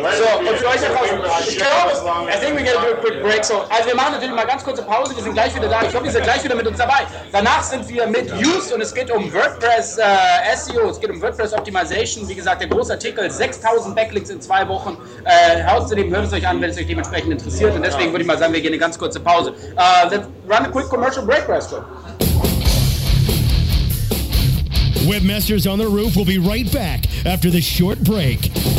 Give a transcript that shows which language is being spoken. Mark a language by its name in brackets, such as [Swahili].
[English] I think we gotta do a quick break. [German] So, also wir machen natürlich mal ganz kurze Pause. Wir sind gleich wieder da. Ich hoffe, ihr seid gleich wieder mit uns dabei. Danach sind wir mit Used und es geht um WordPress SEO. Es geht um WordPress Optimization. Wie gesagt, der große Artikel: 6000 Backlinks in 2 Wochen. Außerdem hört es euch an, wenn es euch dementsprechend interessiert. Und deswegen würde ich mal sagen, wir gehen eine ganz kurze Pause. [English] Let's run a quick commercial break, Restaurant. Webmasters on the Roof will be right back after this short break.